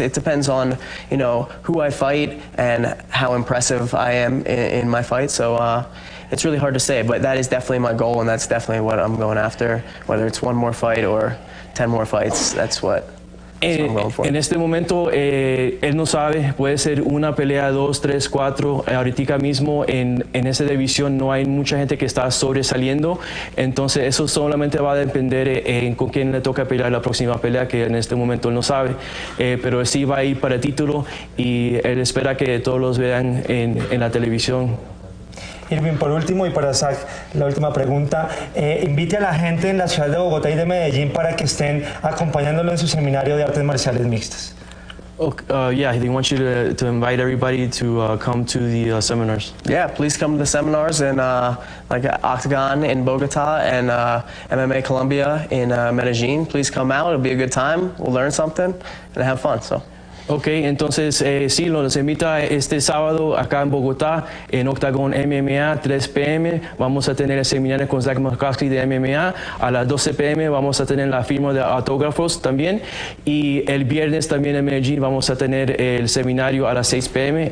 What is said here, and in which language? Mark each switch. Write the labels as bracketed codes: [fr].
[en] It depends on, you know, who I fight and how impressive I am in my fight. So, it's really hard to say, but that is definitely my goal, and that's definitely what I'm going after. Whether it's one more fight or 10 more fights, that's what I'm going for. [es] En este momento, él no sabe. Puede ser una pelea, dos, tres, cuatro. Ahorita mismo, en esa división, no hay mucha gente que está sobresaliendo. Entonces, eso solamente va a depender en con quién le toca pelear la próxima pelea, que en este momento él no sabe. Pero sí va a ir para título, y él espera que todos los vean en la televisión. Irving, por último, y para Zach, la última pregunta. Invite a la gente en la ciudad de Bogotá y de Medellín para que estén acompañándolo en su seminario de artes marciales mixtas. [en] Okay, yeah, they want you to invite everybody to come to the seminars. Yeah, please come to the seminars in Octagon in Bogotá and MMA Colombia in Medellín. Please come out, it'll be a good time. We'll learn something and have fun, so. [es] Ok, entonces sí, los invita este sábado acá en Bogotá, en Octagon MMA, 3 p.m. Vamos a tener el seminario con Zach McCaskey de MMA. A las 12 p.m. vamos a tener la firma de autógrafos también. Y el viernes también en Medellín vamos a tener el seminario a las 6 p.m.